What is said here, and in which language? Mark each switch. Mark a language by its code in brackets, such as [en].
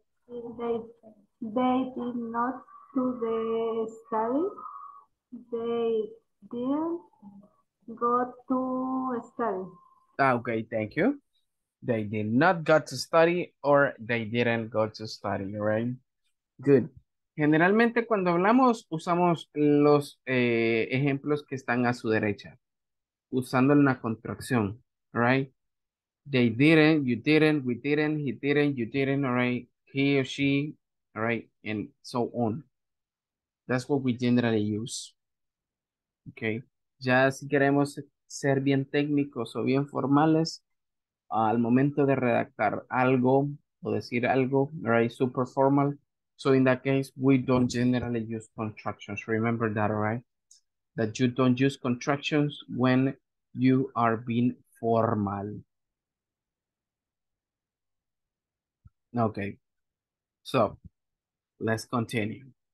[en] They did not do the study. They didn't go to study. Okay, thank you. They did not go to study or they didn't go to study, right? Good. [es] Generalmente cuando hablamos, usamos los ejemplos que están a su derecha, usando una contracción, [en] right? They didn't, you didn't, we didn't, he didn't, you didn't, all right? He or she, all right? And so on. That's what we generally use. Okay. [es] Ya si queremos ser bien técnicos o bien formales, al momento de redactar algo o decir algo, [en] right, [es] super formal. [en] So in that case, we don't generally use contractions. Remember that, right? That you don't use contractions when you are being formal. Okay. So, let's continue.